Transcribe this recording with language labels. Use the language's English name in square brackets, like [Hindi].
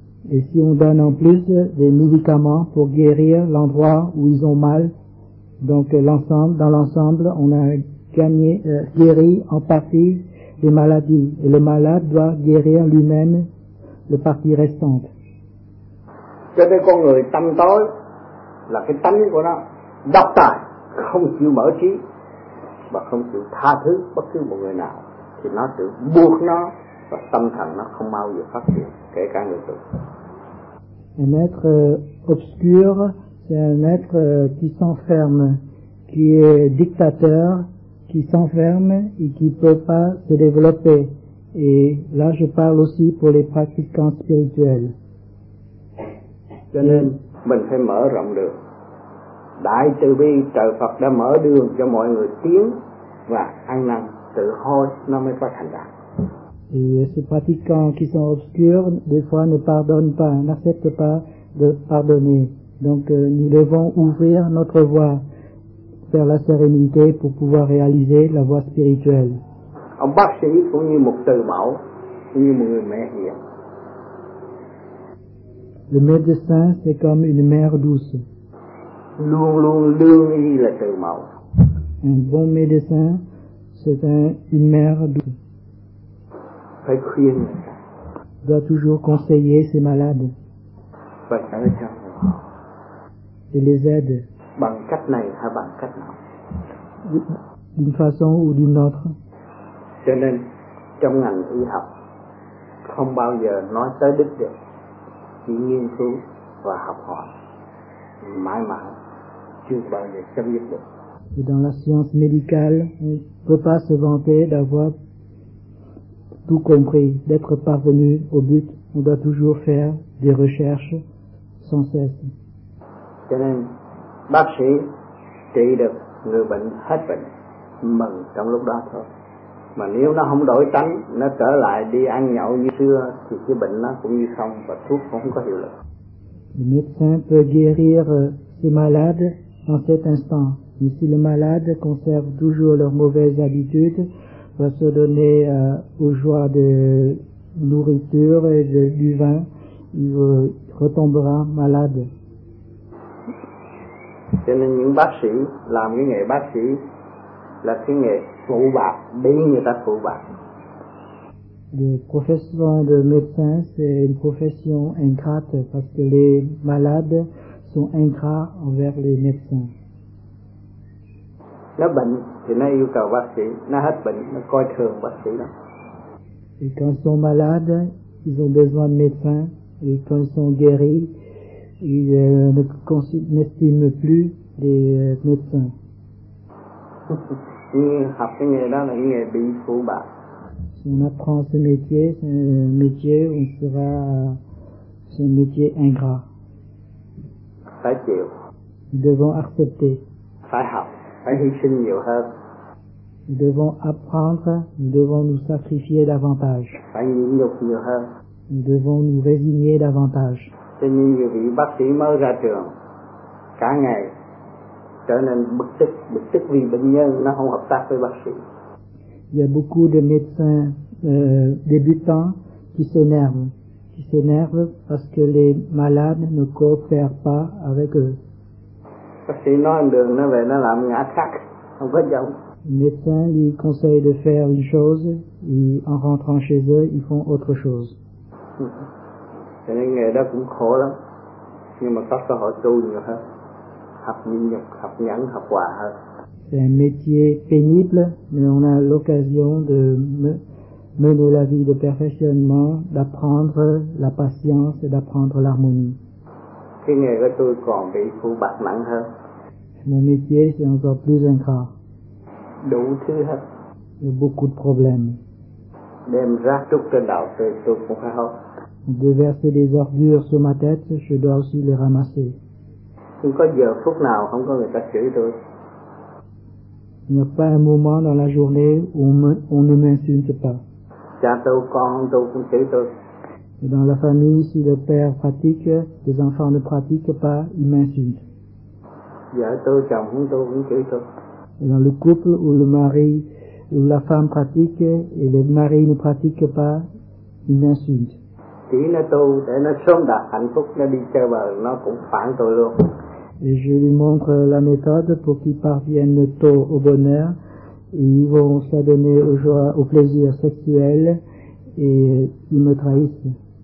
[French] Et si on donne en plus des médicaments pour guérir l'endroit où ils ont mal, donc l'ensemble, dans l'ensemble, on a gagné, guéri en partie les maladies. Et le malade doit guérir lui-même la partie restante. [Vietnamese] Cho nên con người tâm tối là cái tánh của nó độc tài, không chịu mở trí và không chịu tha thứ bất cứ một người nào, thì nó tự buộc nó và tâm thần nó không bao giờ phát triển, kể cả người tu. [French] Un être obscur, c'est un être qui s'enferme, qui est dictateur, qui s'enferme et qui peut pas se développer. Et là, je parle aussi pour les pratiquants spirituels. [Vietnamese] Cho nên mình phải mở rộng được. Đại từ bi trời Phật đã mở đường cho mọi người tiến và ăn năn tự hối, nó mới có thành đạt. [French] Et ces pratiquants qui sont obscurs, des fois ne pardonnent pas, n'acceptent pas de pardonner. Donc nous devons ouvrir notre voie vers la sérénité pour pouvoir réaliser la voie spirituelle. [Vietnamese] Ông bác sĩ cũng như một từ mẫu, như một người mẹ hiền. [French] Le médecin, c'est comme une mère douce. [Vietnamese] Luôn luôn lương y là từ mẫu. [French] Un bon médecin, c'est une mère douce. [Vietnamese] Phải khuyên. [French] Doit toujours conseiller ses malades. [Vietnamese] Phải sẵn sàng. [French] Et les aide. [Vietnamese] Bằng cách này hay bằng cách nào? [French] D'une façon ou d'une autre. [Vietnamese] Cho nên, trong ngành y học, không bao giờ nói tới đích được. Chỉ nghiên cứu và học hỏi mãi mãi, chưa bao giờ chấm dứt được. [French] Et dans la science médicale, on ne peut pas se vanter d'avoir tout compris, d'être parvenu au but. On doit toujours faire des recherches sans cesse. [Vietnamese] Cho nên, bác sĩ trị được người bệnh hết bệnh, mừng trong lúc đó thôi. Mà nếu nó không đổi tánh, nó trở lại đi ăn nhậu như xưa, thì cái bệnh nó cũng như không và thuốc cũng không có hiệu lực. [French] Le médecin peut guérir ses malades en cet instant. Mais si le malade conserve toujours leurs mauvaises habitudes, va se donner aux joies de nourriture et du vin, il retombera malade. [Vietnamese] Cho nên những bác sĩ làm cái nghề bác sĩ là cái nghề phụ bạc, bị người ta phụ bạc. [French] Le profession de médecin, c'est une profession ingrate parce que les malades sont ingrats envers les médecins. [Vietnamese] Nó bệnh thì nó yêu cầu bác sĩ, nó hết bệnh nó coi thường bác sĩ đó. [French] Et quand ils sont malades, ils ont besoin de médecins. Et quand ils sont guéris, ils n'estiment plus les médecins. [Vietnamese] Học cái nghề đó là cái nghề bị phụ bạc. [French] Si on apprend ce métier, c'est un métier ingrat. [Vietnamese] Phải chịu. [French] Nous devons accepter. [Vietnamese] Phải học, phải hy sinh nhiều hơn. [French] Nous devons apprendre, nous devons nous sacrifier davantage. [Vietnamese] Phải nhịn nhục nhiều hơn. [French] Nous devons nous résigner davantage. [Vietnamese] Cho nên nhiều vị bác sĩ mới ra trường, cả ngày trở nên bực tức vì bệnh nhân nó không hợp tác với bác sĩ. [French] Il y a beaucoup de médecins débutants qui s'énervent parce que les malades ne coopèrent pas avec eux. [Vietnamese] Bác sĩ nói anh đường nó về nó làm ngã khác, không có giống. [French] Le médecin lui conseille de faire une chose et en rentrant chez eux, ils font autre chose. [Vietnamese] Cho nên nghề đó cũng khổ lắm, nhưng mà có cơ hội tu nhiều hơn, học nhịn nhục, học nhẫn, học hòa hơn. [French] C'est un métier pénible, mais on a l'occasion de mener la vie de perfectionnement, d'apprendre la patience et d'apprendre l'harmonie. [Vietnamese] Cái nghề của tôi còn bị phụ bạc nặng hơn. [French] Mon métier, c'est encore plus ingrat. [Vietnamese] Đủ thứ hết. [French] Il y a beaucoup de problèmes. [Vietnamese] Đem rác trúc trên đầu tôi cũng phải học. [French] De verser des ordures sur ma tête, je dois aussi les ramasser. [Vietnamese] Không có giờ phút nào không có người ta chửi tôi. [French] Il n'y a pas un moment dans la journée où on ne m'insulte pas. [Vietnamese] Cha tôi, con tôi cũng chửi tôi. [French] Et dans la famille, si le père pratique, les enfants ne pratiquent pas, ils m'insultent. [Vietnamese] Vợ tôi, chồng của tôi cũng chửi tôi. [French] Et dans le couple où le mari, où la femme pratique et le mari ne pratique pas, il m'insulte. [Vietnamese] Chỉ nó tu để nó sớm đạt hạnh phúc, nó đi chơi bờ, nó cũng phản tôi luôn. [French] Et je lui montre la méthode pour qu'il parvienne tôt au bonheur. Et ils vont s'adonner aux joies, au plaisir sexuel et ils me trahissent.